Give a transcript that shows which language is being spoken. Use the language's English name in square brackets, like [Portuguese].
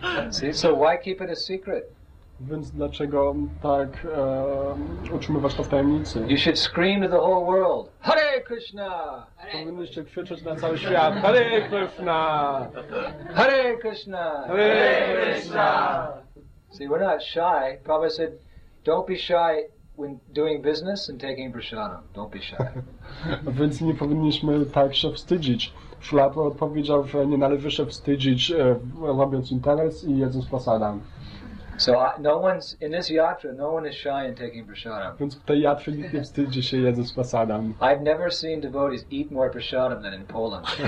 [English] See, so why keep it a secret? [Polish] Więc dlaczego tak utrzymywać to w tajemnicy? [English] You should scream to the whole world, Hare Krishna! [Polish] Powinniście krzyczeć na cały świat, Hare Krishna! [Sanskrit] Hare Krishna! Hare Krishna! [English] See, we're not shy. Prabhupada said, don't be shy when doing business and taking prasadam. Don't be shy. [Polish] Więc nie powinniśmy tak się wstydzić. Śla odpowiedział, że nie należy się wstydzić robiąc interes i jedząc prasadam. [English] So no one's in this yatra, no one is shy in taking prasadam. [Polish] Więc w tej yatrze nikt nie wstydzi się jedząc prasadam. [English] I've never seen devotees eat more prasadam than in Poland.